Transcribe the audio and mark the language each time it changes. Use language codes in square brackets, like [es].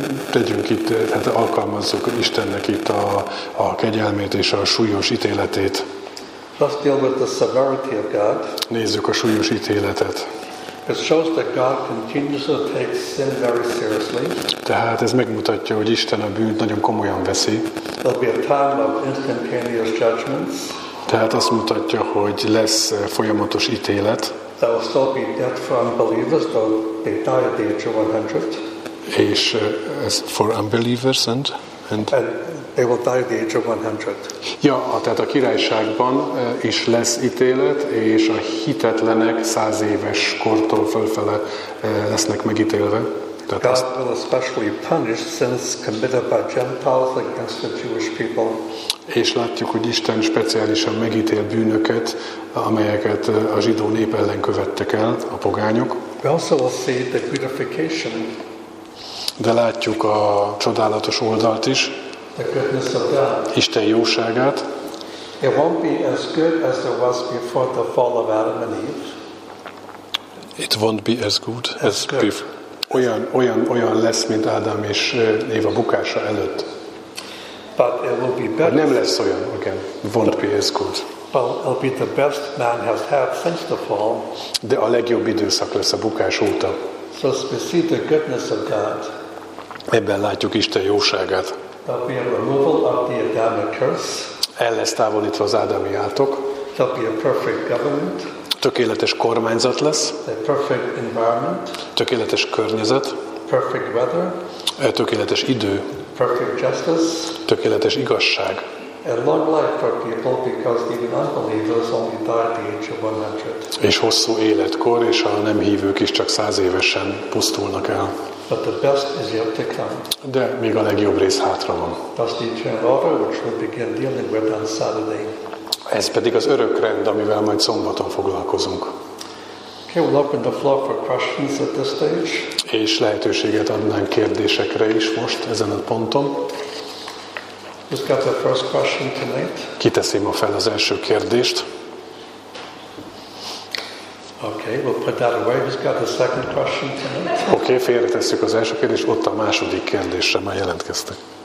[hu] Tegyünk itt, tehát alkalmazzuk Istennek itt a kegyelmét és a súlyos ítéletét. [en] Let's deal with the severity of God. [hu] Nézzük a súlyos ítéletet. [en] It shows that God continuously takes sin very seriously. [hu] Tehát ez megmutatja, hogy Isten a bűnt nagyon komolyan veszi. [en] There'll be a time of instantaneous judgments. [hu] Tehát azt mutatja, hogy lesz folyamatos ítélet. [en] There will still be death for unbelievers, though they die at the age of 100. [hu] És [en] as for unbelievers and they will die at the age of 100. [hu] Ja, tehát a királyságban is lesz ítélet, és a hitetlenek 100 éves kortól fölfele lesznek megítélve. [en] God will especially punish sins committed by Gentiles against the Jewish people. [hu] És látjuk, hogy Isten speciálisan megítél bűnöket, amelyeket a zsidó nép ellen követtek el, a pogányok. [en] We also will see the beautification. [hu] De látjuk a csodálatos oldalt is. [en] The goodness of God. [hu] Isten jóságát. [en] It won't be as good as it was before the fall of Adam and Eve. It won't be as good as before. [hu] Olyan lesz, mint Ádám és Éva bukása előtt. [en] But it will be better. [hu] Nem lesz olyan, igen. [en] Won't be as good. But it'll be the best man has had since the fall. [hu] De a legjobb időszak lesz a bukás óta. [en] So we see the goodness of God. [hu] Ebben látjuk Isten jóságát. [en] There'll be a removal of the Adamic curse. [hu] El lesz távolítva az ádámi átok. [en] There'll be a perfect government. [hu] Tökéletes kormányzat lesz. [en] A perfect environment. [hu] Tökéletes környezet. [en] Perfect weather. [hu] Tökéletes idő. [en] Perfect justice. [hu] Tökéletes igazság. [en] A long life for people because even unbelievers only die at the age of 100. [hu] És hosszú életkor, és a nem hívők is csak 100 évesen pusztulnak el. [en] But the best is yet to come. [hu] De még a legjobb rész hátra van. [en] That's the eternal order which we'll begin dealing with on Saturday. [hu] Ez pedig az örök rend, amivel majd szombaton foglalkozunk. [en] Okay, we'll open the floor for questions at this stage. [hu] És lehetőséget adnánk kérdésekre is most ezen a ponton. [en] Who's got the first question tonight? [hu] Kiteszem a fel az első kérdést. [en] Okay, we'll put that away. Who's got the second question tonight? [hu] Okay, félretesszük az első kérdést, ott a második kérdésre már jelentkeztek.